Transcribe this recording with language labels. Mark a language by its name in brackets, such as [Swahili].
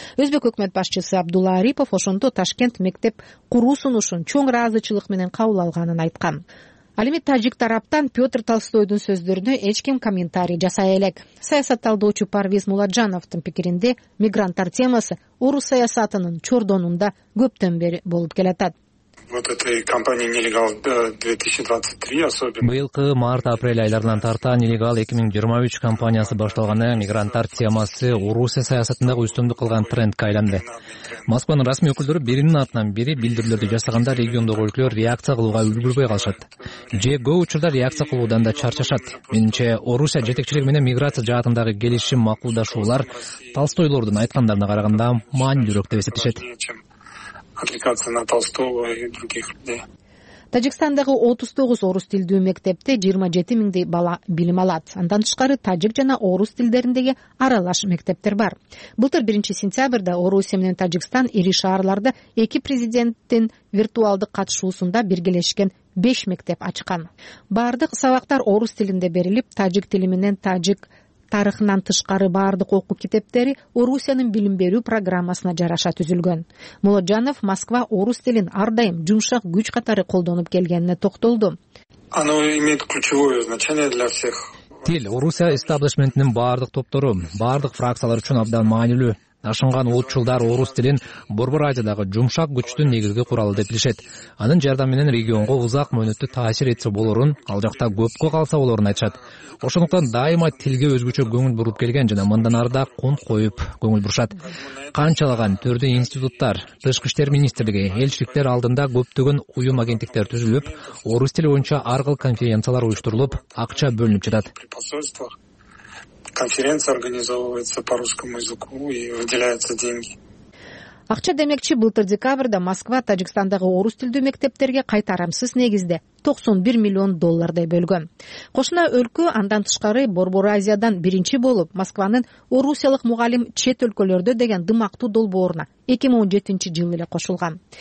[Kyrgyz] Өзбек өкмөт башчысы Абдулла Арипов ошондо Ташкент мектеп куруу сунушун чоң ыраазычылык менен кабыл алганын айткан. Ал эми тажик тараптан Петр Толстойдун сөздөрүнө эч ким комментарий жасай элек. Саясат талдоочу Парвиз Муладжановдун пикиринде мигранттар темасы орус саясатынын чордонунда көптөн бери болуп келатат. [Russian] Вот этой кампании нелегал 2023 особенно. [Kyrgyz] Быйылкы март-апрель айларынан тарта нелегал 2023 кампаниясы башталганы мигранттар темасы Орусия саясатындагы үстөмдүк кылган трендке айланды. Москванын расмий өкүлдөрү биринин артынан бири билдирүүлөрдү жасаганда региондогу өлкөлөр реакция кылууга үлгүрбөй калышат. Же көп учурда реакция кылуудан да чарчашат. Менимче Орусия жетекчилиги менен миграция жаатындагы келишим макулдашуулар Толстойлордун айткандарына караганда маанилүүрөөк деп эсептешет. [Russian] Отвлекаться на Толстого и других людей. [Kyrgyz] Тажикстандагы 39 орус тилдүү мектепте 27 000 бала билим алат. Андан тышкары тажик жана орус тилдериндеги аралаш мектептер бар. Былтыр 1 сентябрда Орусия менен Тажикстан ири шаарларда эки президенттин виртуалдык катышуусунда биргелешкен 5 мектеп ачкан. Бардык сабактар орус тилинде берилип, тажик тили менен тажик тарыхынан тышкары бардык окуу китептери Орусиянын билим берүү программасына жараша түзүлгөн. Молоджанов Москва орус тилин ардайым жумшак күч катары колдонуп келгенине токтолду. [Russian] Оно имеет ключевое значение для всех. [Kyrgyz] Тил Орусия эстаблишментинин бардык топтору, бардык фракциялар үчүн абдан маанилүү. Ашынган улутчулдар орус тилин Борбор Азиядагы жумшак күчтүн негизги куралы деп билишет. Анын жардамы менен регионго узак мөөнөттү таасир этсе болорун, ал жакта көпкө калса болорун айтышат. Ошондуктан дайыма тилге өзгөчө көңүл буруп келген жана мындан ары да кунт коюп көңүл бурушат. Канчалаган түрдүү институттар, тышкы иштер министрлиги, элчиликтер алдында көптөгөн уюм агенттиктер түзүлүп, орус тили боюнча ар кыл конференциялар уюштурулуп, акча бөлүнүп жатат. [Russian] Конференция организовывается по русскому языку и выделяются деньги. [Kyrgyz] Акча демекчи, былтыр декабрда Москва Тажикстандагы орус тилдүү мектептерге кайтарымсыз негизде 91 000 000 $ бөлгөн. Кошуна өлкө андан тышкары Борбор Азиядан биринчи болуп Москванын орусиялык мугалим чет өлкөлөрдө деген дымактуу долбооруна 2017 жылы эле кошулган.